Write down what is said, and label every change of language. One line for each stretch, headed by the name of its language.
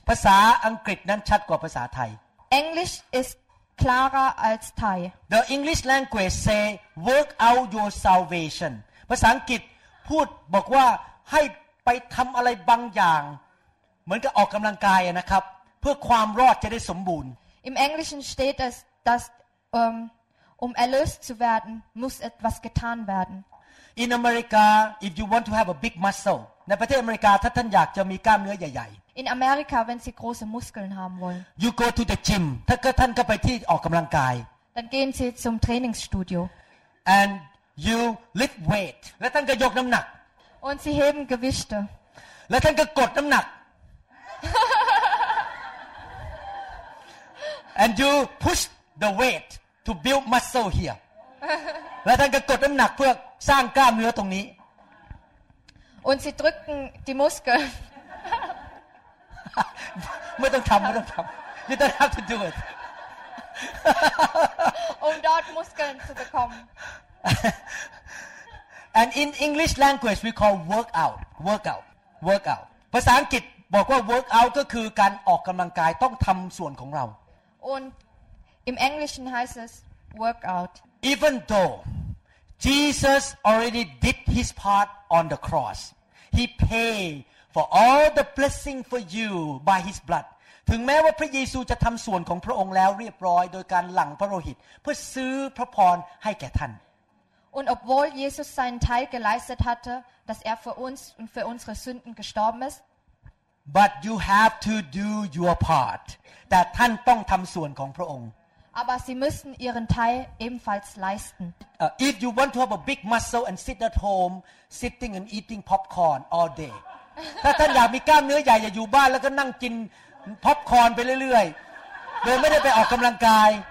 Thai: ภาษาอังกฤษนั้นชัดกว่าภาษาไทย
English: English is clearer
German: als
English: Thai. The English language say, "Work out your salvation."
Thai: ภาษาอังกฤษพูดบอกว่าให้ไปทำอะไรบางอย่างเหมือนกับออกกำลังกายนะครับเพื่อความรอดจะได้สมบูรณ์
German: Im Englischen steht es, dass um erlöst zu werden, muss etwas getan werden.
English: In America, if you want to have a big muscle,
Thai: ในประเทศอเมริกาถ้าท่านอยากจะมีกล้ามเนื้อใหญ่
German: ๆ In America, wenn Sie große Muskeln haben wollen,
English: you go to the gym.
Thai: ถ้าท่านก็ไปที่ออกกำลังกาย
German: Dann gehen Sie zum Trainingsstudio.
English: And you lift weight.
Thai: และท่านก็ยกน้ำหนัก
German: Und Sie heben Gewichte.
Thai: และท่านก็กดน้ำหนัก
English: And you push the weight. to build muscle here.
Thai: และท่านก็กดน้ำหนักเพื่อสร้างกล้ามเนื้อตรงนี้
German: Und sie drücken die Muskeln.
Thai: ไม่ต้องทำไม่ต้องทำ
English: You don't have to do it.
German: Um dort Muskeln zu bekommen.
English: And in English language we call workout. Workout. Workout.
Thai: ภาษาอังกฤษบอกว่า work out ก็คือการออกกำลังกายต้องทำส่วนของเรา
German: Und im Englischen heißt es work out.
English: Even though Jesus already did his part on the cross, he paid for all the blessing for you by his blood.
Thai: ถึงแม้ว่าพระเยซูจะทำส่วนของพระองค์แล้วเรียบร้อยโดยการหลั่งพระโลหิตเพื่อซื้อพระพรให้แก่ท่าน
German: Und obwohl Jesus seinen Teil geleistet hatteDass er für uns und für unsere Sünden gestorben ist.
English: But you have to do your part.
Thai: That ท่านต้องทำส่วนของพระองค์
German: Aber Sie müssen Ihren Teil ebenfalls leisten.
English: If you want to have a big muscle and sit at home, sitting and eating popcorn all day.
Thai: ถ้าท่านอยากมีกล้ามเนื้อใหญ่อยู่บ้านแล้วก็นั่งกินป๊อปคอร์นไปเรื่อยๆโดยไม่ได้ไปออกกำลังกาย